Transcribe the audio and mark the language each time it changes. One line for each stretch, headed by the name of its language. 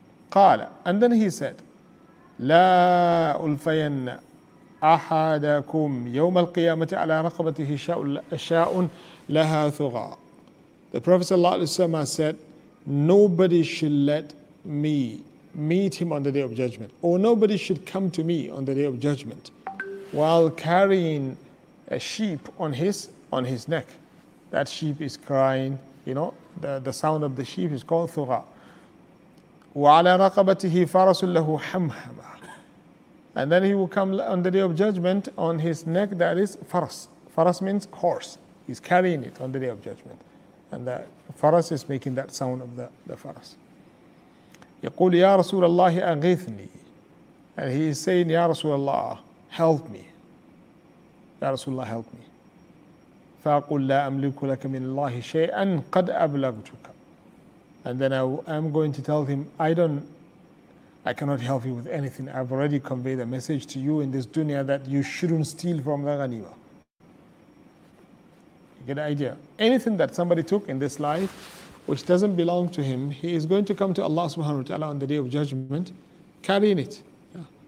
Arabic: Qala,
English: and then he said,
Arabic: La ulfayanna أحدكم يوم القيامة على رقبته شاء لها ثغى.
English: The Prophet sallallahu alaihi wasallam said, nobody should let me meet him on the day of judgment, or nobody should come to me on the day of judgment while carrying a sheep on his neck. That sheep is crying, you know, the sound of the sheep is called ثغى.
Arabic: وعلى رقبته فرس له حمحمة.
English: And then he will come on the day of judgment on his neck, that is faras. Faras means horse. He's carrying it on the day of judgment. And the faras is making that sound of the faras.
Arabic: يقول يا رسول الله أغيثني.
English: And he is saying,
Arabic: يا رسول الله,
English: help me.
Arabic: يا رسول الله,
English: help me.
Arabic: فأقول لا أملك لك من الله شيئا قد أبلغتك.
English: And then I'm going to tell him, I cannot help you with anything. I've already conveyed a message to you in this dunya that you shouldn't steal from the ghanima. You get an idea? Anything that somebody took in this life, which doesn't belong to him, he is going to come to Allah subhanahu wa ta'ala on the day of judgment, carrying it. Yeah.